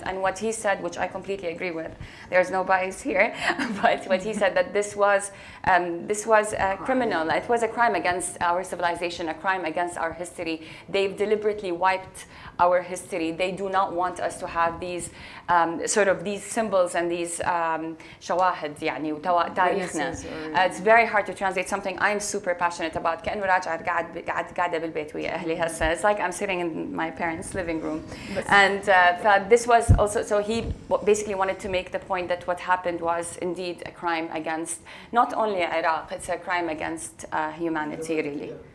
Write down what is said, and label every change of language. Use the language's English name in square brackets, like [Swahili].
[English] And what he said, which I completely agree with, there's no bias here, but what he said that this was a crime against our civilization, a crime against our history. They've deliberately wiped our history. They do not want us to have these these symbols and these [Arabic] شواهد يعني تاريخنا. [English] It's very hard to translate something I'm super passionate about. [Arabic] كأنه راجعة قاعدة بالبيت ويا أهلي هسا. [English] It's like I'm sitting in my parents' living room. And this was also, so he basically wanted to make the point that what happened was indeed a crime against not only Iraq, it's a crime against humanity really.